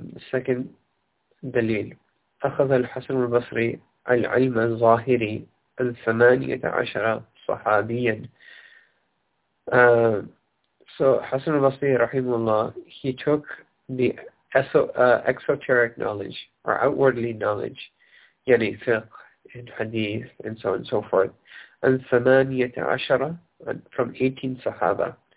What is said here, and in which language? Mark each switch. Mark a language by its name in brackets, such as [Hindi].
[English] Second دليل. [Arabic] أخذ الحسن البصري العلم الظاهري 18 صحابيا. [English] So Hasan al-Basri, rahimullah, he took the exoteric knowledge or outwardly knowledge, yani fiqh and hadith and so on and so forth, and 18 from 18 sahaba.